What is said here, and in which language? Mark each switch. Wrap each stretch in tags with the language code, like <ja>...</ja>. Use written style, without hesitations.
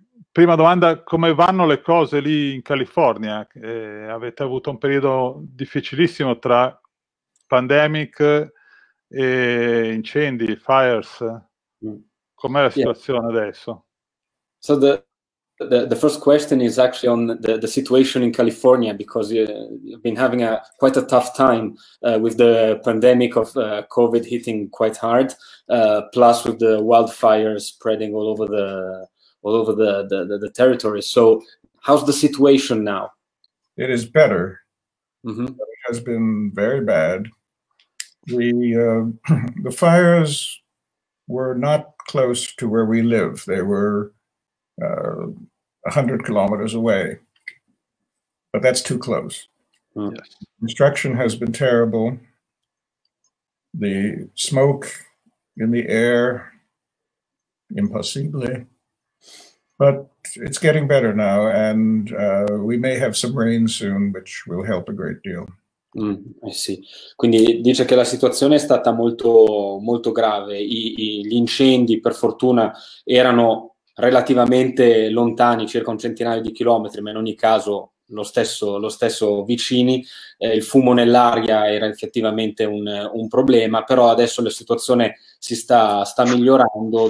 <it>Prima domanda, come vanno le cose lì in California? Avete avuto un periodo difficilissimo tra pandemic e incendi, fires. Com'è la situazione adesso?</it> <en>So the first question is actually on the situation in California, because you've been having a quite a tough time with the pandemic of COVID hitting quite hard, plus with the wildfires spreading all over the territory. So how's the situation now? It is better. It has been very bad. The fires were not close to where we live. They were 100 kilometers away, but that's too close. Construction has been terrible. The smoke in the air, impossibly. But it's getting better now, and we may have some rain soon, which will help a great deal. I see.</en> <it>Quindi dice che la situazione è stata molto, molto grave. Gli incendi, per fortuna, erano relativamente lontani, circa un centinaio di chilometri, ma in ogni caso lo stesso vicini. Il fumo nell'aria era effettivamente un problema, però adesso la situazione si sta migliorando.</it>